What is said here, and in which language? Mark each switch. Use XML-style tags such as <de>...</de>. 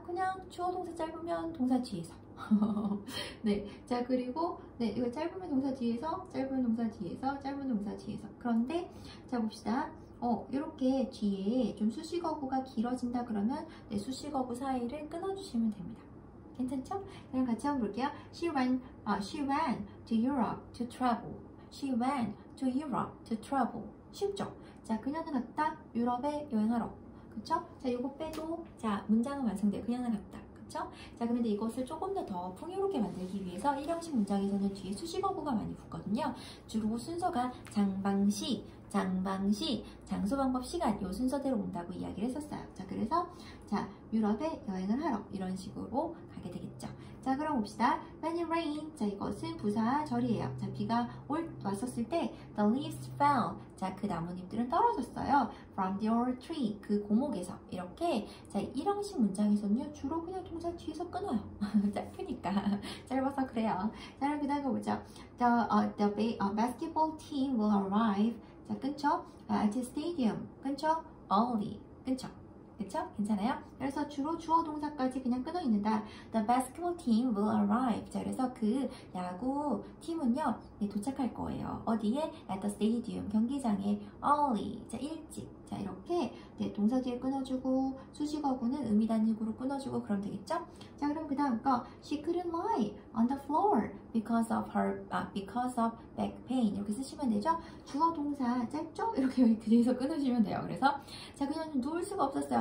<ko>그냥 주어 동사 짧으면 동사 뒤에서. 네. 자, 그리고, 네, 이거 짧으면 동사 뒤에서, 짧은 동사 뒤에서, 짧은 동사 뒤에서. 그런데, 자, 봅시다. 이렇게 뒤에 좀 수식어구가 길어진다 그러면 내 수식어구 사이를 끊어주시면 됩니다. 괜찮죠? 그럼 같이 한번 볼게요.</ko> <en>She went to Europe to travel. She went to Europe to travel.</en> <ko>쉽죠? 자, 그녀는 갔다 유럽에 여행하러. 그쵸? 자, 요거 빼도 자 문장은 완성돼요. 그녀는 갔다. 그쵸? 자, 그런데 이것을 조금 더 풍요롭게 만들기 위해서 1형식 문장에서는 뒤에 수식어구가 많이 붙거든요. 주로 순서가 장방시, 장소, 방법, 시간, 요 순서대로 온다고 이야기를 했었어요. 자, 그래서, 자, 유럽에 여행을 하러, 이런 식으로 가게 되겠죠. 자, 그럼 봅시다.</ko> <en>When it rained,</en> <ko>자, 이것은 부사 절이에요. 자, 비가 왔었을 때,</ko> <en>the leaves fell.</en> <ko>자, 그 나뭇잎들은 떨어졌어요.</ko> <en>From the old tree,</en> <ko>그 고목에서. 이렇게, 자, 1형식 문장에서는요, 주로 그냥 동사 뒤에서 끊어요. 짧으니까. 짧아서 그래요. 자, 그럼 그 다음 가보죠.</ko> <en>The basketball team will arrive.</en> <ko>자, 끊죠?</ko> <en>At the stadium.</en> <ko>끊죠? Only. 끊죠? 그쵸? 괜찮아요? 그래서 주로 주어 동사까지 그냥 끊어 있는다.</ko> <en>The basketball team will arrive.</en> <ko>자, 그래서 그 야구 팀은요, 네, 도착할 거예요. 어디에?</ko> <en>At the stadium.</en> <ko>경기장에.</ko> <en>Early.</en> <ko>자, 일찍. 자, 이렇게 네, 동사 뒤에 끊어주고, 수식어구는 의미단역으로 끊어주고, 그럼 되겠죠? 자, 그럼 그 다음 거.</ko> <en>She couldn't lie on the floor because of back pain.</en> <ko>이렇게 쓰시면 되죠? 주어 동사 짧죠? 이렇게 뒤에서 끊어주면 돼요. 그래서. 자, 그냥 누울 수가 없었어요.</ko>